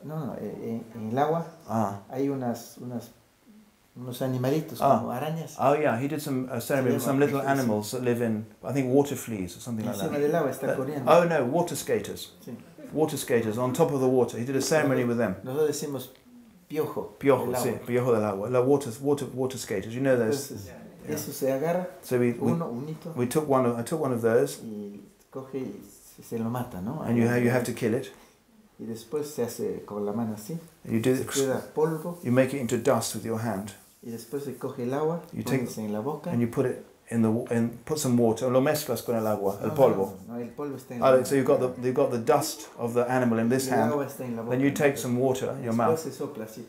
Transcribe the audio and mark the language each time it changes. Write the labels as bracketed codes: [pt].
[es] No, en el agua hay unos animalitos como arañas. [en] Oh yeah, he did a ceremony with some little animals that live in, I think, water fleas or something like that. [es] Encima del agua está corriendo. [en] Oh no, water skaters. [es] Sí. [en] Water skaters on top of the water. He did a ceremony with them. [es] Nosotros decimos... Piojo, sí, piojo del agua. La [en] water skaters, you know those. [es] Entonces, eso se agarra. [en] So [es] unito. [en] We took one. I took one of those. [es] Y coge y se lo mata, ¿no? [en] And you have to kill it. [es] Y después se hace con la mano así. [en] And you do [es] se queda polvo. [en] You make it into dust with your hand. [es] Y después se coge el agua. [en] You take [es] en la boca. [en] And you put it in put some water. [es] Lo mezclas con el agua, el polvo. No, el polvo está en la boca. [en] So you've got the dust of the animal in this hand. [es] El agua está en la boca. [en] Then you take some water in your mouth. [es] Se sopla, sí.